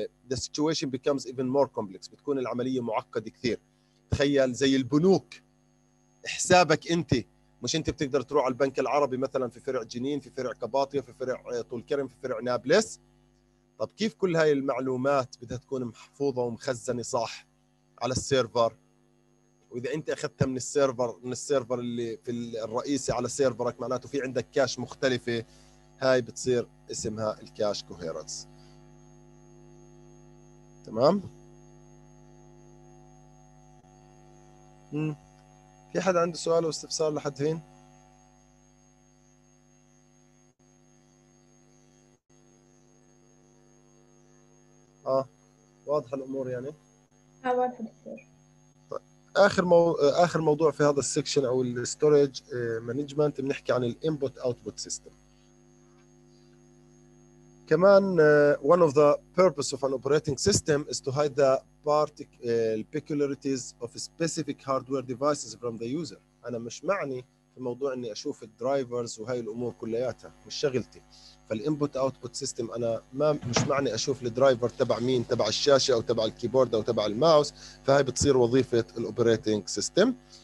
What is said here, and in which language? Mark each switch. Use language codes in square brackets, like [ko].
[en] The situation becomes even more complex. [ar] بتكون العملية معقدة كثير. تخيل زي البنوك حسابك أنت مش أنت بتقدر تروح على البنك العربي مثلا في فرع جنين في فرع كباطية في فرع طول كرم في فرع نابلس. طب كيف كل هاي المعلومات بدها تكون محفوظة ومخزنة صح على السيرفر؟ وإذا أنت أخذتها من السيرفر اللي في الرئيسي على سيرفرك معناته في عندك كاش مختلفة. هاي بتصير اسمها الكاش كوهيرنس. تمام؟ في حد عنده سؤال أو استفسار لحد هين؟ واضح الأمور يعني؟ واضح طيب. آخر موضوع في هذا السكشن أو الستوريج مانجمنت بنحكي عن الـ Input Output System. [en] كمان one of the purpose of an operating system is to hide the peculiarities of specific hardware devices from the user. [ar] أنا مش معني في موضوع إني أشوف الدرايفرز وهاي الأمور كلياتها مش شغلتي. فالإنبوت أوتبوت سيستم أنا ما مش معني أشوف الدرايفر تبع مين تبع الشاشة أو تبع الكيبورد أو تبع الماوس. فهاي بتصير وظيفة الأوبريتنج سيستم.